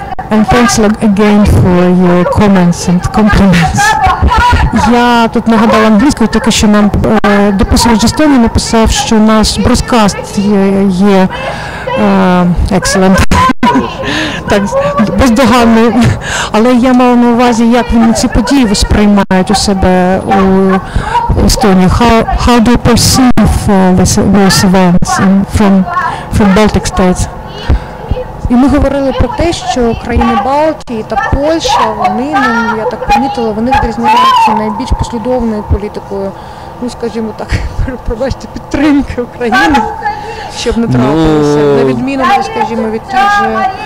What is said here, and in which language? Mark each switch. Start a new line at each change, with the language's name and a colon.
English: And thanks again for your comments and compliments.
Ukrainian: Я тут нагадала англійською, тільки що нам дописувач Естонії написав, що наш броскаст є excellent. Так, бездоганний. Але я мала на увазі, як вони ці події сприймають у себе у Естонії.
English: How do you perceive those events from Baltic states?
Ukrainian: І ми говорили про те, що країни Балтії та Польща, вони, я так помітила, вони відрізняються найбільш послідовною політикою, ну, скажімо так, пробачте, підтримки України, щоб не трапилося, на відміну, скажімо, від тих же